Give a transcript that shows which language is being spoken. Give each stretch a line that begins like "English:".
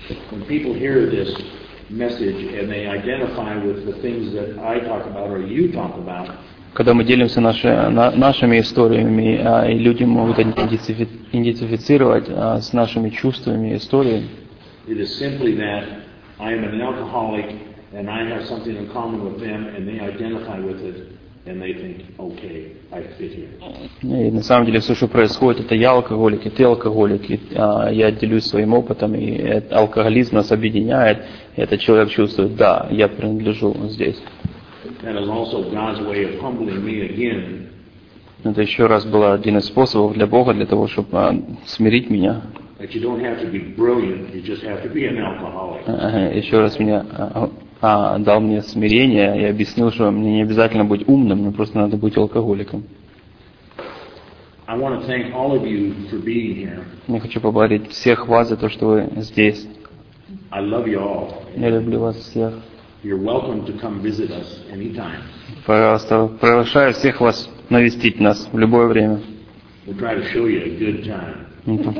English: When people hear this message and they identify with the things that I talk about or you talk about.
Russian: Когда мы делимся нашими историями, и люди могут идентифицировать с нашими чувствами и историями.
English: It is simply that I am an alcoholic and I have something in common with them and they identify with it and they think, okay, I fit here.
Russian: И на самом деле все, что происходит, это я алкоголик, и ты алкоголик, и я делюсь своим опытом, и алкоголизм нас объединяет, и этот человек чувствует, да, я принадлежу здесь.
English: That is also God's way of humbling me again.
Russian: Это еще раз было один из способов для Бога для того, чтобы смирить меня.
English: That you don't have to be brilliant, you just have to be an alcoholic.
Russian: Еще раз мне дал мне смирение и объяснил, что мне не обязательно быть умным, мне просто надо быть алкоголиком.
English: I want to thank all of you for being here.
Russian: Я хочу поблагодарить всех вас за то, что вы здесь.
English: I love you all.
Russian: Я люблю вас всех.
English: You're welcome to come visit us anytime.
Russian: Пожалуйста, приглашаю всех вас навестить нас в любое время.
English: We'll try to show you a good time.